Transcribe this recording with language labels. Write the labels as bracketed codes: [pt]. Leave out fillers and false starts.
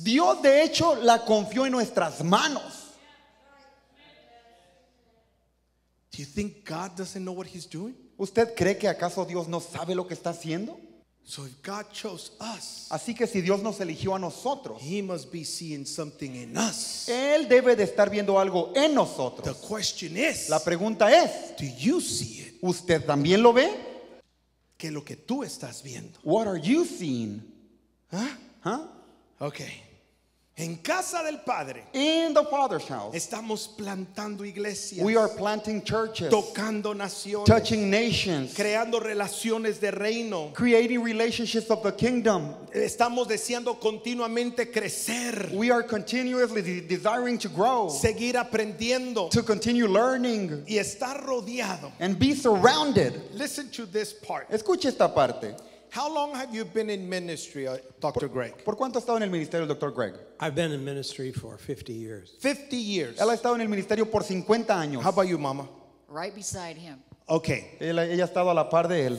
[es] Dios de hecho la confió en nuestras manos. [en] Do you think God doesn't know what he's doing? [es] ¿Usted cree que acaso Dios no sabe lo que está haciendo? [en] So if God chose us, [es] así que si Dios nos eligió a nosotros, [en] he must be seeing something in us. [es] Él debe de estar viendo algo en nosotros. [en] The question is, [es] la pregunta es, [en] do you see it? [es] ¿Usted también lo ve? ¿Qué es lo que tú estás viendo? [en] What are you seeing? [es] Huh? Okay. En casa del Padre. [en] In the Father's house. [es] Estamos plantando iglesias. [en] We are planting churches. [es] Tocando naciones. [en] Touching nations. [es] Creando relaciones de reino. [en] Creating relationships of the kingdom. [es] Estamos deseando continuamente crecer. [en] We are continuously desiring to grow. [es] Seguir aprendiendo. [en] To continue learning. [es] Y estar rodeado. [en] And be surrounded. Listen to this part. [es] Escuche esta parte. [en] How long have you been in ministry, Dr. Greg? [es] ¿Por cuánto ha estado en el ministerio, Dr. Greg? [en] I've been in ministry for 50 years. 50 years. [es] Ella ha estado en el ministerio por 50 años. [en] How about you, Mama? Right beside him. Okay. [es] Ella ha estado a la par de él.